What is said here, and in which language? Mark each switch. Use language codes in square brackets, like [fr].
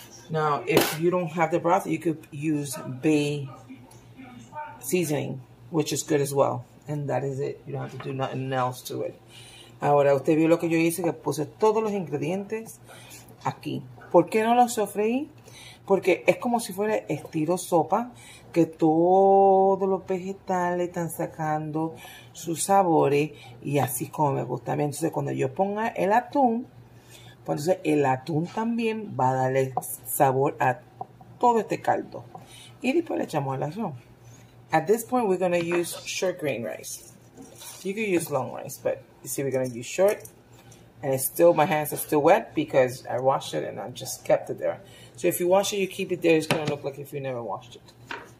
[en] Now, if you don't have the broth, you could use bay seasoning, which is good as well. And that is it. You don't have to do nothing else to it. [es] Ahora, usted vio lo que yo hice, que puse todos los ingredientes aquí. ¿Por qué no los sofreí? Porque es como si fuera estilo sopa, que todos los vegetales están sacando sus sabores, y así como me gusta. Entonces, cuando yo ponga el atún, entonces el atún también va a darle sabor a todo este caldo. Y después le echamos el arroz. [en] At this point, we're going to use short grain rice. You could use long rice, but you see, we're going to use short. And it's still, my hands are still wet because I washed it and I just kept it there. So if you wash it, you keep it there, it's going to look like if you never washed it.